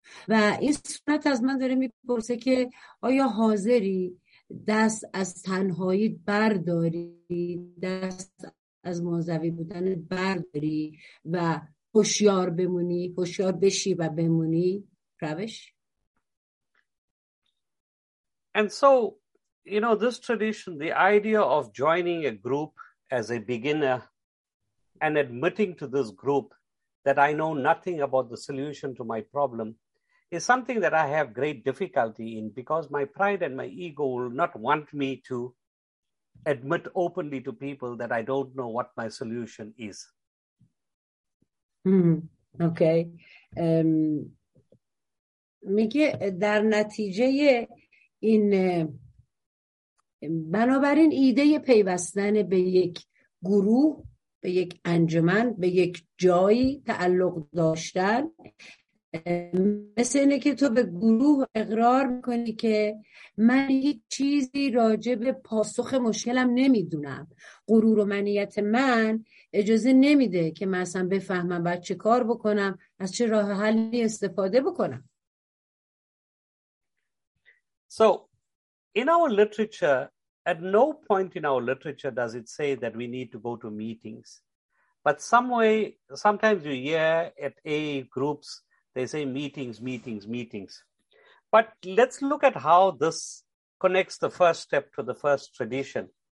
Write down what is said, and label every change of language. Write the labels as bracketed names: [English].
[Persian] و این سنت از من داره میپرسه که آیا حاضری دست از تنهایی برداری، دست از منزوی بودن برداری و هوشیار بمونی، هوشیار بشی و بمونی. روش؟ [English] And so, you know, this tradition, the idea of joining a group as a beginner and admitting to this group that I know nothing about the solution to my problem is something that I have great difficulty in, because my pride and my ego will not want me to admit openly to people that I don't know what my solution is. Okay. [Persian] میگه در نتیجه این، بنابراین ایده پیوستن به یک گروه، به یک انجمن، به یک جایی تعلق داشتن مثل اینه که تو به گروه اقرار میکنی که من هیچ چیزی راجع به پاسخ مشکلم نمیدونم. غرور و منیت من اجازه نمیده که من اصلا بفهمم باید چه کار بکنم، از چه راه حلی استفاده بکنم. [English] So in our literature, at no point in our literature does it say that we need to go to meetings. But some way, sometimes you hear at A groups, they say meetings, meetings, meetings. But let's look at how this connects the first step to the first tradition.